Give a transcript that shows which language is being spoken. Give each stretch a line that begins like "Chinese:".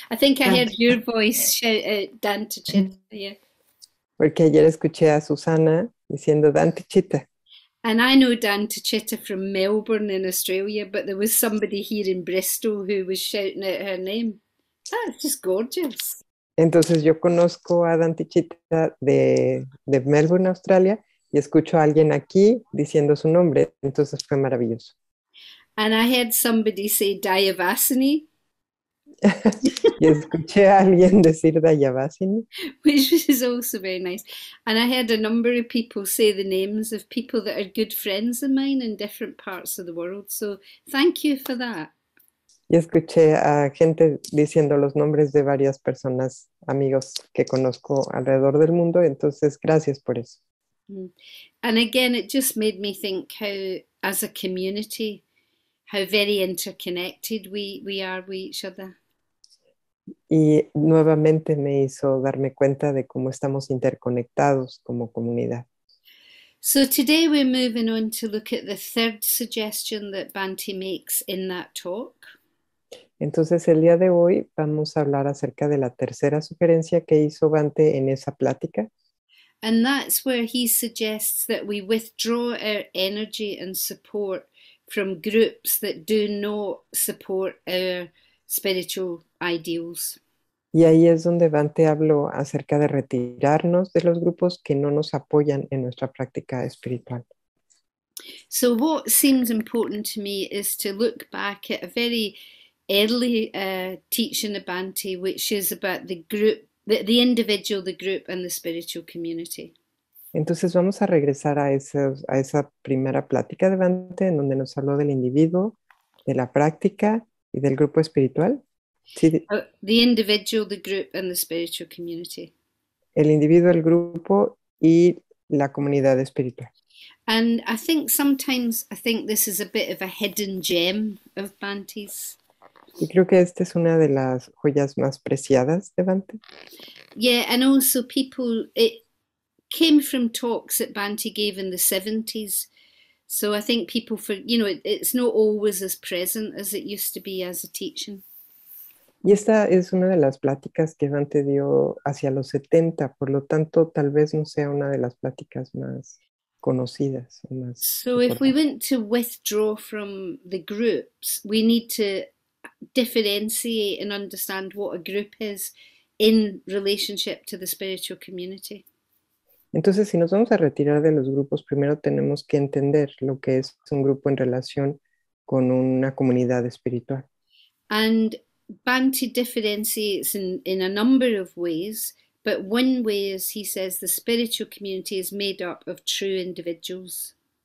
English: I think I heard your voice shout out dantachitta, yeah.
Spanish: Porque ayer escuché a Susana diciendo Dante Chita.
English: And I know dantachitta from Melbourne in Australia, but there was somebody here in Bristol who was shouting out her name. That's just gorgeous.
Spanish: Entonces yo conozco a Dante Chita de Melbourne, Australia, y escucho a alguien aquí diciendo su nombre. Entonces fue maravilloso.
English: And I heard somebody say Dayavasini.
Spanish: Y escuché a alguien decir Dayavasini.
English: Which is also very nice. And I heard a number of people say the names of people that are good friends of mine in different parts of the world. So thank you for that.
Spanish: Y escuché a gente diciendo los nombres de varias personas, amigos que conozco alrededor del mundo. Entonces, gracias por eso.
English: And again, it just made me think how, as a community, how very interconnected we are with each other.
Spanish: Y nuevamente me hizo darme cuenta de cómo estamos interconectados como comunidad.
English: So today we're moving on to look at the third suggestion that Bhante makes in that talk.
Spanish: Entonces, el día de hoy vamos a hablar acerca de la tercera sugerencia que hizo Bante en esa plática.
English: And that's where he suggests that we withdraw our energy and support from groups that do not support our spiritual ideals.
Spanish: Y ahí es donde Dante habló acerca de retirarnos de los grupos que no nos apoyan en nuestra práctica espiritual.
English: So what seems important to me is to look back at a very early teaching of Bhante, which is about the group, the individual, the group, and the spiritual community.
Spanish: Entonces vamos a regresar a esa primera plática de Dante, en donde nos habló del individuo, de la práctica y del grupo espiritual. Sí.
English: The individual, the group, and the spiritual community.
Spanish: El individuo, el grupo y la comunidad espiritual.
English: And I think sometimes I think this is a bit of a hidden gem of Bhante's.
Spanish: Y creo que esta es una de las joyas más preciadas de Dante.
English: Yeah, and also people, it came from talks that Bhante gave in the 70s. So I think people for, you know, it's not always as present as it used to be as a teaching.
Spanish: Y esta es una de las pláticas que Dante dio hacia los 70, por lo tanto, tal vez no sea una de las pláticas más conocidas o más
English: So if we
Spanish: recordadas.
English: want to withdraw from the groups, we need to differentiate and understand what a group is in relationship to the spiritual community.
Spanish: Entonces, si nos vamos a retirar de los grupos, primero tenemos que entender lo que es un grupo en relación con una comunidad espiritual.
English: And Bhante differentiates in a number of ways, but one way is he says the spiritual community is made up of true individuals.